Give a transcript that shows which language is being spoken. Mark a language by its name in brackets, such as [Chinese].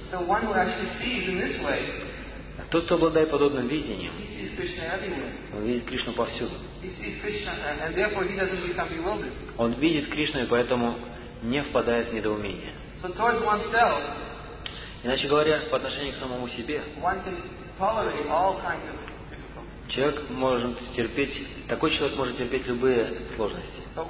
[English] So one who actually sees in this way, [Russian] тот, кто обладает подобным видением, [English] he sees Krishna everywhere. [Russian] Он видит Кришну повсюду. [English] He sees Krishna, and therefore he doesn't become bewildered. [Russian] Он видит Кришну и поэтому не впадает в недоумение. [English] So towards oneself, [Russian] иначе говоря, по отношению к самому себе, [English] one can tolerate all kinds of difficulties. [Russian] Человек может терпеть, такой человек может терпеть любые сложности.